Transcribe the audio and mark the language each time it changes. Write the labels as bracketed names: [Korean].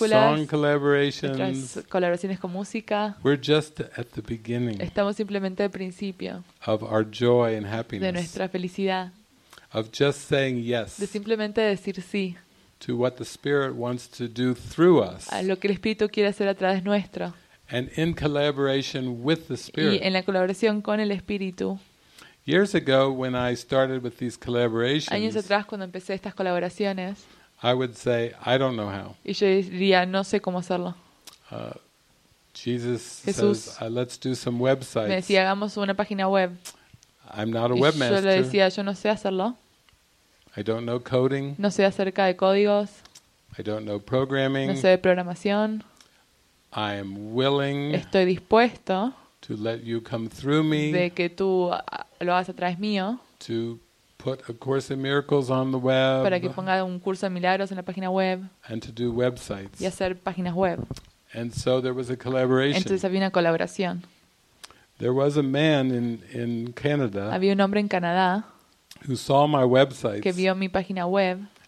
[English] Our song collaborations. [Spanish] Nuestras colaboraciones con música. [English] We're just at the beginning. [Spanish] Estamos simplemente al principio. [English] Of our joy and happiness. [Spanish] De nuestra felicidad. [English] Of just saying yes. [Spanish] De simplemente decir sí. [English] To what the Spirit wants to do through us. [Spanish] A lo que el Espíritu quiere hacer a través nuestro. [English] And in collaboration with the Spirit. [Spanish] Y en la colaboración con el Espíritu. [English] Years ago, when I started with these collaborations, [Spanish] años atrás, cuando empecé estas colaboraciones, [English] I would say, I don't know how. [Spanish] Y yo diría, no sé cómo hacerlo. [English] Jesús says, let's do some websites. [Spanish] Me decía, hagamos una página web. [English] I'm not a webmaster. [Spanish] Y yo le decía, yo no sé hacerlo. [English] I don't know coding. [Spanish] No sé acerca de códigos. [English] I don't know programming. [Spanish] No sé de programación. [English] I am willing. [Spanish] Estoy dispuesto. [English] To let you come through me. [Spanish] De que tú lo hagas a través mío. [English] To put a course in miracles on the web. [Spanish] Para que ponga un curso de milagros en la página web. [English] And to do websites. [Spanish] Y hacer páginas web. [English] And so there was a collaboration. [Spanish] Entonces había una colaboración. [English] There was a man in Canada. [Spanish] Había un hombre en Canadá. [English] Who saw my websites? [Spanish] Que vio mi página web.